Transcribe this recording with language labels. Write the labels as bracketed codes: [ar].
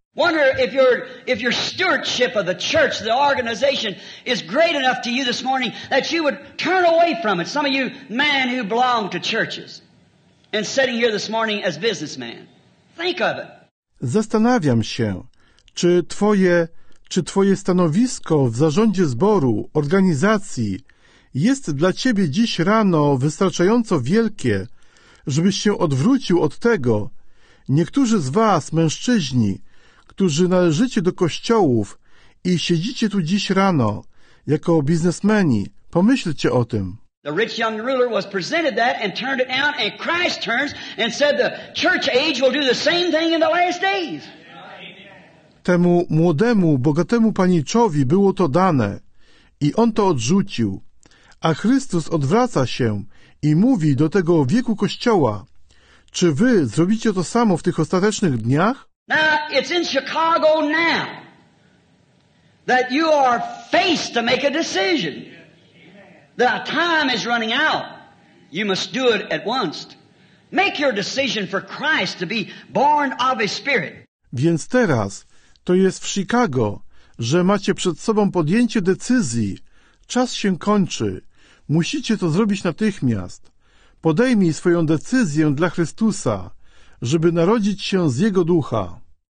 [en] Wonder if your stewardship of the church, the organization, is great enough to you this morning that you would turn away from it. Some of you men who belong to churches. and sitting here this morning as businessman. Think of it. [pl] Zastanawiam się, czy twoje stanowisko w zarządzie zboru, organizacji jest dla ciebie dziś rano wystarczająco wielkie, żebyś się odwrócił od tego. Niektórzy z was, mężczyźni, którzy należycie do kościołów i siedzicie tu dziś rano jako biznesmeni, pomyślcie o tym. [en] The rich young ruler was presented that and turned it down, and Christ turns and said the church age will do the same thing in the last days. [pl] Temu młodemu, bogatemu paniczowi było to dane i on to odrzucił. A Chrystus odwraca się i mówi do tego wieku Kościoła: czy wy zrobicie to samo w tych ostatecznych dniach? [en] Now, it's in Chicago now that you are faced to make a decision. The time is running out. You must do it at once. Make your decision for Christ to be born of His Spirit. [pl] Więc teraz to jest w Chicago, że macie przed sobą podjęcie decyzji. Czas się kończy. Musicie to zrobić natychmiast. Podejmij swoją decyzję dla Chrystusa, żeby narodzić się z Jego ducha.